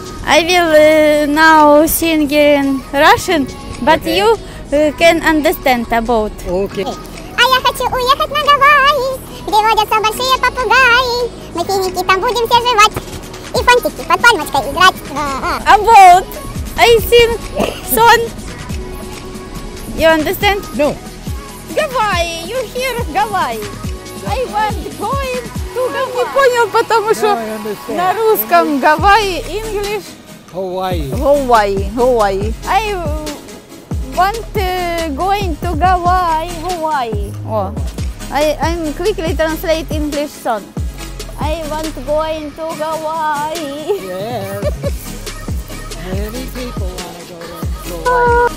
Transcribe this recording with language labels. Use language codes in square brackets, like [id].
[en] I will now sing her in Russian, but okay. You can understand about. Okay. [ru] А я хочу уехать на Гавайи, где водятся большие попугаи. Мы финики там будем все жевать и фантики под пальмочкой играть. [en] About. I sing song. You understand? No. Gawaii, you hear Gawaii. I want going [ru] Португал не понял, потому что на русском Гавайи, English. Гавайи. Гавайи. [en] I want to going to Гавайи. I'm quickly translate English son. I want going to Gawaii. Yes. Many people want to go to Gawaii.